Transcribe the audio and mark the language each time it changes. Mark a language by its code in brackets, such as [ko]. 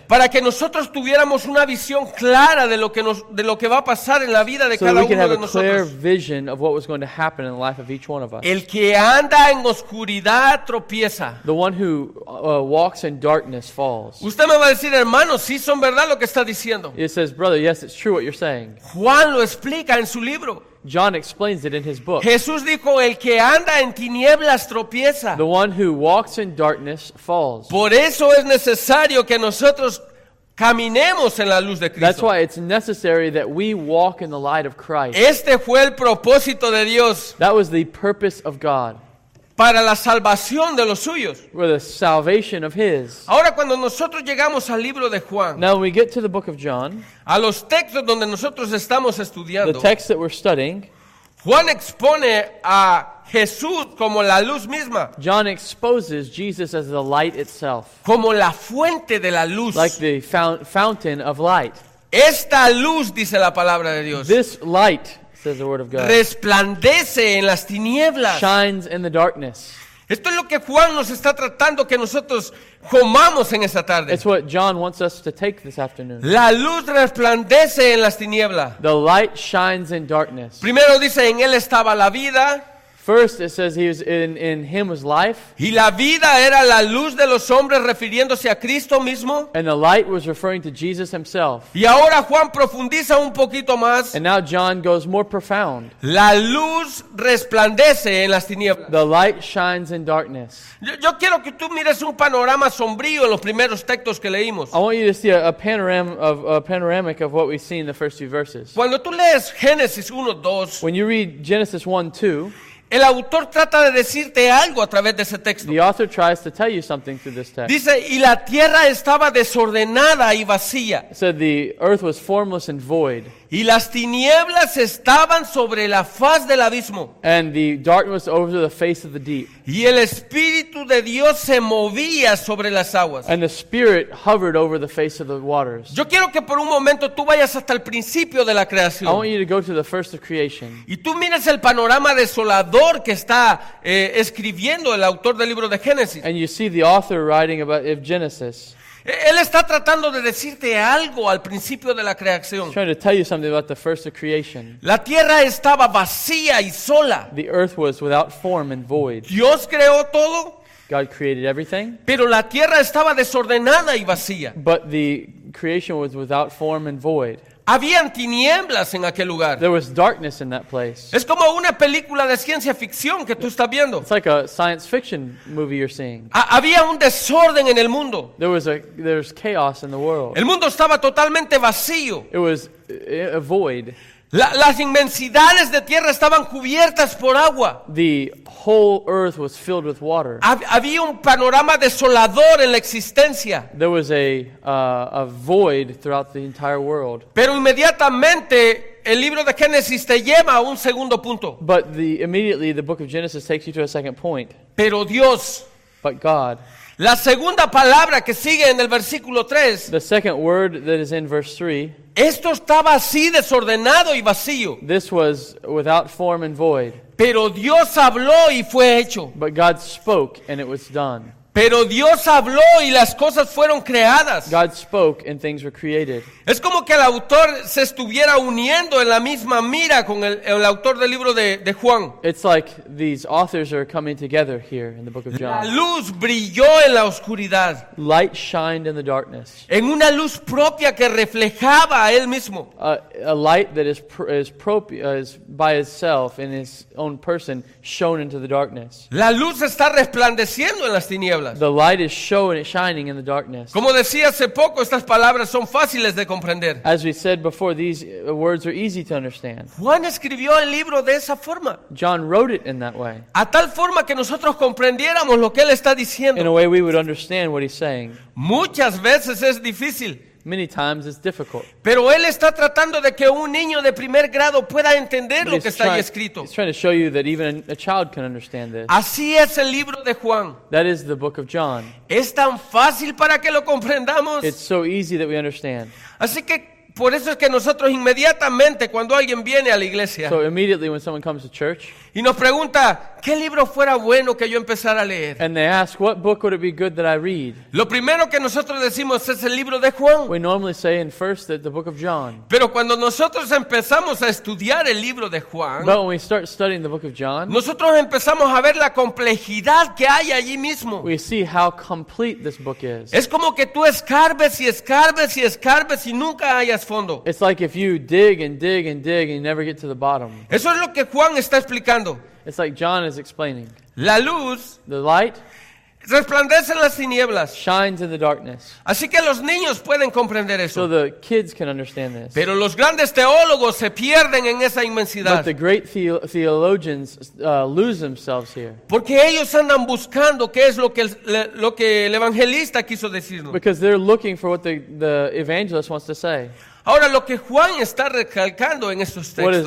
[es] Para que nosotros tuviéramos una visión clara de lo que va a pasar en la vida de cada uno de nosotros. [en] So we can have a clear vision of what was going to happen in the life of each one of us. [es] El que anda en oscuridad tropieza. [en] The one who walks in darkness falls. [es] Usted me va a decir, hermano, sí son verdad lo que está diciendo. [en] He says, brother, yes, it's true what you're saying. [es] Juan lo explica en su libro. [en] John explains it in his book. [es] Jesús dijo, el que anda en tinieblas tropieza. [en] The one who walks in darkness falls. [es] Por eso es necesario que nosotros caminemos en la luz de Cristo. [en] That's why it's necessary that we walk in the light of Christ. [es] Este fue el propósito de Dios. [en] That was the purpose of God. [es] Para la salvación de los suyos. [en] For the salvation of his. [es] Ahora cuando nosotros llegamos al libro de Juan. [en] Now we get to the book of John. [es] A los textos donde nosotros estamos estudiando. [en] The text that we're studying. [es] Juan expone a Jesús como la luz misma. [en] John exposes Jesus as the light itself. [es] Como la fuente de la luz. [en] Like the fountain of light. [es] Esta luz, dice la palabra de Dios. [en] This light, says the word of God. [es] Resplandece en las tinieblas. [en] Shines in the darkness. [es] Esto es lo que Juan nos está tratando que nosotros comamos en esta tarde. [en] It's what John wants us to take this afternoon. [es] La luz resplandece en las tinieblas. [en] The light shines in darkness. [es] Primero dice, en él estaba la vida. [en] First it says he was in him was life. [es] Y la vida era la luz de los hombres refiriéndose a Cristo mismo. [en] And the light was referring to Jesus himself. [es] Y ahora Juan profundiza un poquito más. [en] And now John goes more profound. [es] La luz resplandece en las tinieblas. [en] The light shines in darkness. [es] Yo quiero que tú mires un panorama sombrío en los primeros textos que leímos. [en] I want you to see a panoramic of what we've seen in the first few verses. [es] Cuando tú lees Génesis 1:2. [en] When you read Genesis 1:2. [es] El autor trata de decirte algo a través de ese texto. [en] The author tries to tell you something through this text. [es] Dice, y la tierra estaba desordenada y vacía. [en] So the earth was formless and void. [es] Y las tinieblas estaban sobre la faz del abismo. [en] And the darkness over the face of the deep. [es] Y el Espíritu de Dios se movía sobre las aguas. [en] And the Spirit hovered over the face of the waters. [es] Yo quiero que por un momento tú vayas hasta el principio de la creación. [en] I want you to go to the first of creation. [es] Y tú miras el panorama desolador que está escribiendo el autor del libro de Génesis. [en] And you see the author writing about Genesis. [es] Él está tratando de decirte algo al principio de la creación. [en] He's trying to tell you something about the first of creation. [es] La tierra estaba vacía y sola. [en] The earth was without form and void. [es] Dios creó todo. [en] God created everything. [es] Pero la tierra estaba desordenada y vacía. [en] But the creation was without form and void. [es] Habían tinieblas en aquel lugar. [en] There was darkness in that place. [es] Es como una película de ciencia ficción que tú estás viendo. [en] It's like a science fiction movie you're seeing. [es] Había un desorden en el mundo. [en] There's chaos in the world. [es] El mundo estaba totalmente vacío. [en] It was a void. [es] Las inmensidades de tierra estaban cubiertas por agua. [en] The whole earth was filled with water. [es] Había un panorama desolador en la existencia. [en] There was a void throughout the entire world. [es] Pero inmediatamente el libro de Génesis te lleva a un segundo punto. [en] But immediately the book of Genesis takes you to a second point. [es] Pero Dios. [en] But God. [es] La segunda palabra que sigue en el versículo 3. [en] The second word that is in verse 3. [es] Esto estaba así desordenado y vacío. [en] This was without form and void. [es] Pero Dios habló y fue hecho. [en] But God spoke and it was done. [es] Pero Dios habló y las cosas fueron creadas. [en] God spoke and things were created. [es] Es como que el autor se estuviera uniendo en la misma mira con el autor del libro de Juan. [en] It's like these authors are coming together here in the book of John. [es] La luz brilló en la oscuridad. [en] Light shined in the darkness. [es] En una luz propia que reflejaba a él mismo. [en] A light that is by itself in his own person shone into the darkness. [es] La luz está resplandeciendo en las tinieblas. [en] The light is showing it shining in the darkness. [es] Como decía hace poco, estas palabras son fáciles de comprender. [en] As we said before, these words are easy to understand. [es] Juan escribió el libro de esa forma. [en] John wrote it in that way. [es] A tal forma que nosotros comprendiéramos lo que él está diciendo. [en] In a way we would understand what he's saying. [es] Muchas veces es difícil. [en] Many times it's difficult. [es] Pero él está tratando de que un niño de primer grado pueda entender lo que está ahí escrito. [en] He's trying to show you that even a child can understand this. [es] Así es el libro de Juan. [en] That is the book of John. [es] Es tan fácil para que lo comprendamos. [en] It's so easy that we understand. [es] Así que por eso es que nosotros inmediatamente cuando alguien viene a la iglesia. [en] So immediately when someone comes to church. [es] Y nos pregunta, ¿qué libro fuera bueno que yo empezara a leer? [en] And they ask, what book would it be good that I read? [es] Lo primero que nosotros decimos es el libro de Juan. [en] We normally say in first that the book of John. [es] Pero cuando nosotros empezamos a estudiar el libro de Juan. [en] But when we start studying the book of John. [es] Nosotros empezamos a ver la complejidad que hay allí mismo. [en] We see how complete this book is. [es] Es como que tú escarbes y escarbes y escarbes y nunca hayas fondo. [en] It's like if you dig and dig and dig and you never get to the bottom. [es] Eso es lo que Juan está explicando. [en] It's like John is explaining. [es] La luz, [en] the light, [es] resplandece en las tinieblas, [en] shines in the darkness. [es] Así que los niños pueden comprender eso. [en] So the kids can understand this. [es] Pero los grandes teólogos se pierden en esa inmensidad. [en] But the great theologians lose themselves here. [es] Porque ellos andan buscando qué es lo que el evangelista quiso decirnos. [en] Because they're looking for what the evangelist wants to say. [es] Ahora lo que Juan está recalcando en estos textos.